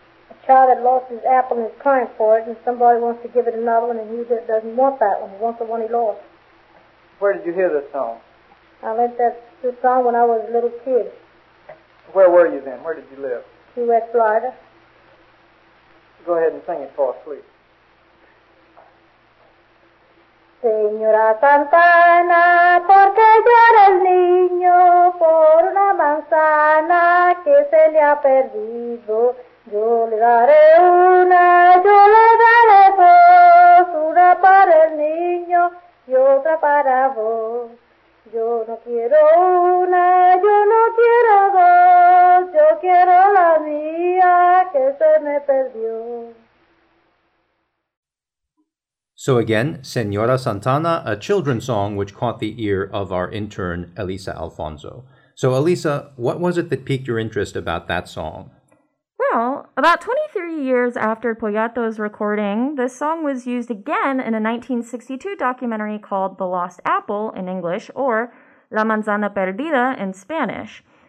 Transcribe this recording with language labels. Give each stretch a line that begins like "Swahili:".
English: A child that lost his apple and is crying for it, and somebody wants to give it another one, and he just doesn't want that one. He wants the one he lost. Where did you hear this song? I learned this song when I was a little kid. Where were you then? Where did you live? Key West, Florida. Go ahead and sing it for us, please.
Spanish: Señora Santana, ¿por qué llora el niño? Por una manzana que se le ha perdido. Yo le daré una, yo le daré dos. Una para el niño y otra para vos. Yo no quiero una, yo no quiero dos. Yo quiero la mía que se me perdió.
English: So again, Señora Santana, a children's song which caught the ear of our intern, Elisa Alfonso. So Elisa, what was it that piqued your interest about that song? Well, about 23 years after Poyato's recording, this song was used again in a 1962 documentary called The Lost Apple in English, or La Manzana Perdida in Spanish.